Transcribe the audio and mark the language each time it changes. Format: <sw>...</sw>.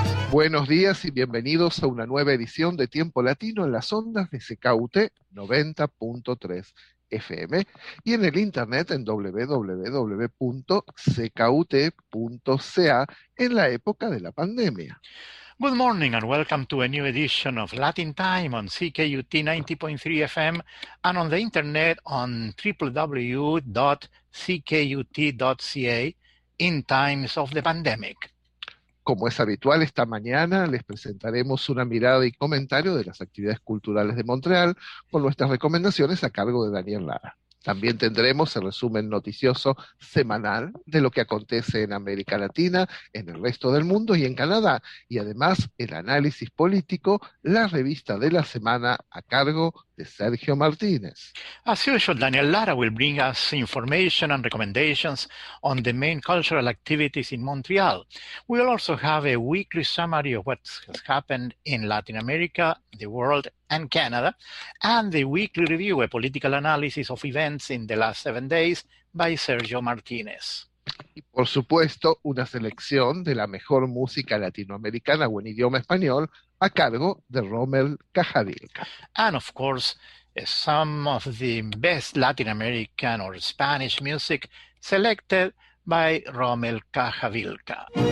<es>Buenos días y bienvenidos a una nueva edición de Tiempo Latino en las ondas de CKUT 90.3 FM y en el internet en www.ckut.ca en la época de la pandemia.</es> <en>Good morning and welcome to a new edition of Latin Time on CKUT 90.3 FM and on the internet on www.ckut.ca in times of the pandemic.</en> <es>Como es habitual, esta mañana les presentaremos una mirada y comentario de las actividades culturales de Montreal con nuestras recomendaciones a cargo de Daniel Lara. También tendremos el resumen noticioso semanal de lo que acontece en América Latina, en el resto del mundo y en Canadá. Y además, el análisis político, la revista de la semana a cargo de Sergio Martínez.</es> <en>As usual, Daniel Lara will bring us information and recommendations on the main cultural activities in Montreal. We will also have a weekly summary of what has happened in Latin America, the world, and Canada, and the weekly review, a political analysis of events in the last 7 days, by Sergio Martínez.</en> <es>Y por supuesto, una selección de la mejor música latinoamericana o en idioma español a cargo de Rommel Cajadilca.</es> <en>And of course, some of the best Latin American or Spanish music selected by Rommel Cajadilca.</en>